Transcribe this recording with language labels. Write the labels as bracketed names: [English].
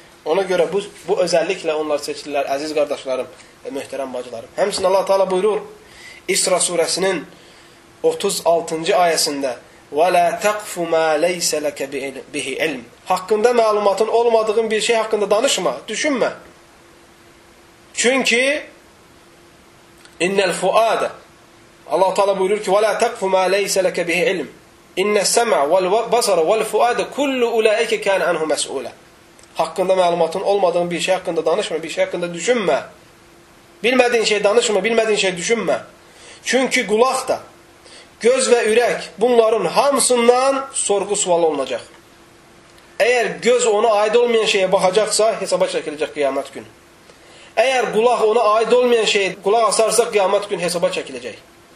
[Azerbaijani] Ona görə bu özəlliklə onlar seçilirlər, əziz qardaşlarım və möhtərəm bacılarım. Həmçinin Allah Taala buyurur İsra surəsinin 36-cı ayəsində [Arabic] وَلَا تَقْفُ مَا لَيْسَ لَكَ بِهِ عِلْمِ [Azerbaijani] Haqqında məlumatın olmadığın bir şey haqqında danışma, düşünmə. Çünki [Arabic] اِنَّ الْفُعَادَ [Azerbaijani] Allah Taala buyurur ki [Arabic] وَلَا تَقْفُ مَا لَيْسَ لَكَ بِهِ عِلْمِ اِنَّ السَّمَعْ وَالْبَصَرَ وَالْفُعَادَ كُلُّ اُلَٰئِكَ كَانَ عَنْهُ مَسْئُولًا [Azerbaijani] Haqqında məlumatın olmadığın bir şey haqqında danışma, bir şey haqqında düşünmə. Bilmədiyin şey danışma, bilmədiyin şey düşünmə. Çünki qulaq da, göz və ürək bunların hamısından sorğu sualı olunacaq. Əgər göz ona aid olmayan şeyə baxacaqsa, hesaba çəkiləcək qiyamət günü. Əgər qulaq ona aid olmayan şeyə qulaq asarsa, qiyamət günü hesaba çəkiləcək.